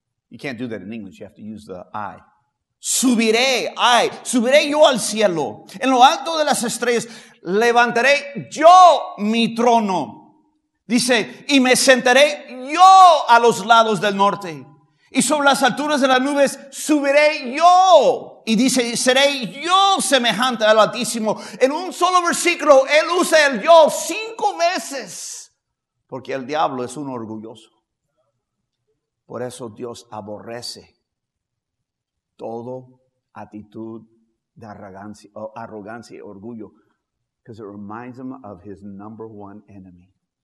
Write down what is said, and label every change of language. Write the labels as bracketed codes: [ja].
[en] You can't do that in English, you have to use the I. [es] Subiré, I, subiré yo al cielo. En lo alto de las estrellas, levantaré yo mi trono. Dice, y me sentaré yo a los lados del norte. Y sobre las alturas de las nubes subiré yo. Y dice, seré yo semejante al Altísimo. En un solo versículo, él usa el yo 5 veces. Porque el diablo es un orgulloso. Por eso Dios aborrece toda actitud de arrogancia y orgullo. [en] Because it reminds him of his number one enemy.